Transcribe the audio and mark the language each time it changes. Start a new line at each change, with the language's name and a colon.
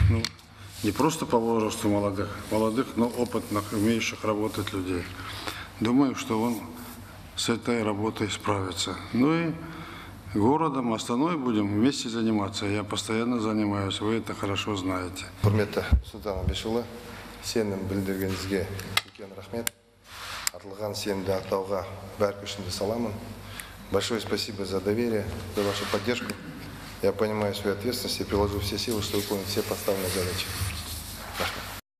Russian: Ну, не просто по возрасту молодых, но опытных, умеющих работать людей. Думаю, что он с этой работой справится. Ну и городом, Астаной будем вместе заниматься. Я постоянно занимаюсь, вы это хорошо знаете.
Kazakh: Құрметті Сұлтан Абишұлы, сенім білдіргеніңізге үлкен рахмет. Артылған сенімді ақтауға бәрі күшінде саламын.
Russian: Большое спасибо за доверие, за вашу поддержку. Я понимаю свою ответственность и приложу все силы, чтобы выполнить все поставленные задачи.
Kazakh: Рахмет.